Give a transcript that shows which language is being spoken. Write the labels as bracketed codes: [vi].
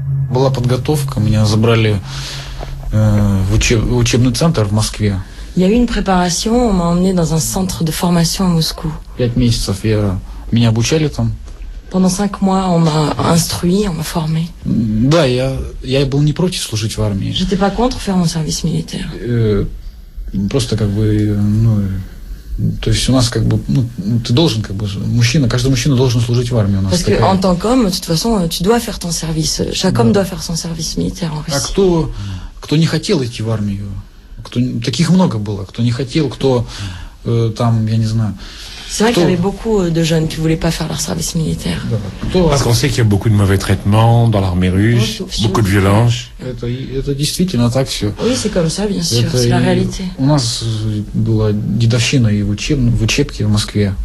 [ru] Была подготовка, меня забрали в учебный центр в Москве. [fr] Il y a eu une préparation, on m'a emmené dans un centre de formation à Moscou. [ru] 5 месяцев я меня обучали там. [fr] Pendant 5 mois, on m'a instruit, on m'a formé. [ru] Да, я был не против служить в армии. [fr] J'étais pas contre faire mon service militaire. [ru] Просто как бы, ну, то есть у нас как бы, ну, ты должен как бы мужчина, каждый мужчина должен служить в армии у нас. [fr] Parce [ru] такая... [fr] que en tant qu'homme, de toute façon, tu dois faire ton service. Chaque homme doit faire son service militaire en Russie. [ru] А кто не хотел идти в армию? Кто таких много было, кто не хотел, кто там, я не знаю. [fr] C'est vrai qu'il y avait beaucoup de jeunes qui ne voulaient pas faire leur service militaire. Parce qu'on sait qu'il y a beaucoup de mauvais traitements dans l'armée russe, beaucoup de violence. Oui, c'est comme ça, bien sûr, c'est la réalité. On a eu la didachine et l'учебке à Moscou.